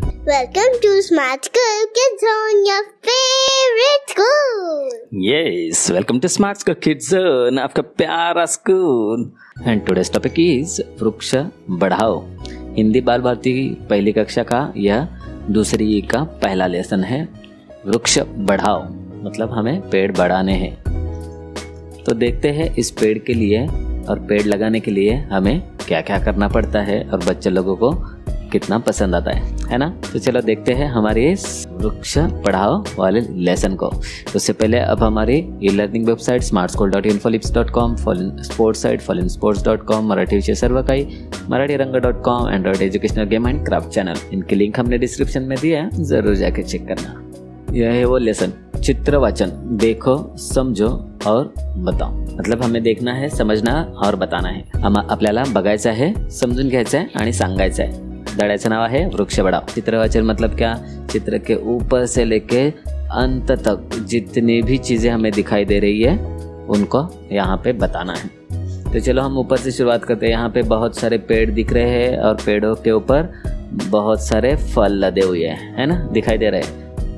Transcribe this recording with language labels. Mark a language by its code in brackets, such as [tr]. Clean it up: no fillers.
[en] Welcome to Smart School Kids Zone, your favorite school. Yes, welcome to Smart School Kids Zone, [hi] आपका प्यारा school. [en] And today's topic is वृक्ष बढ़ाओ. [hi] हिंदी बाल भारती पहली कक्षा का या दूसरी का पहला लेसन है वृक्ष बढ़ाओ, मतलब हमें पेड़ बढ़ाने हैं. तो देखते हैं इस पेड़ के लिए और पेड़ लगाने के लिए हमें क्या क्या करना पड़ता है और बच्चे लोगों को कितना पसंद आता है ना. तो चलो देखते हैं हमारे इस वृक्ष पढ़ाओ वाले लेसन को. उससे पहले अब हमारी e learning website smartschool.infolips.com, sports site fallinsports.com, Marathi विषय सर्व काही Marathi रंग.com, Android educational game and craft channel, इनके लिंक हमने डिस्क्रिप्शन में दिया है, जरूर जाके चेक करना. यह है वो लेसन, चित्र वाचन. देखो, समझो और बताओ, मतलब हमें देखना है, समझना और बताना है. [mr] हम आपल्याला बघायचं आहे, समजून घ्यायचं आहे आणि सांगायचं आहे. धड्याचं नाव आहे वृक्ष बढ़ाओ. [hi] चित्र वाचन मतलब क्या, चित्र के ऊपर से लेके अंत तक जितने भी चीजें हमें दिखाई दे रही है उनको यहाँ पे बताना है. तो चलो हम ऊपर से शुरुआत करते हैं. यहाँ पे बहुत सारे पेड़ दिख रहे हैं और पेड़ों के ऊपर बहुत सारे फल लदे हुए हैं, है ना, दिखाई दे रहे हैं.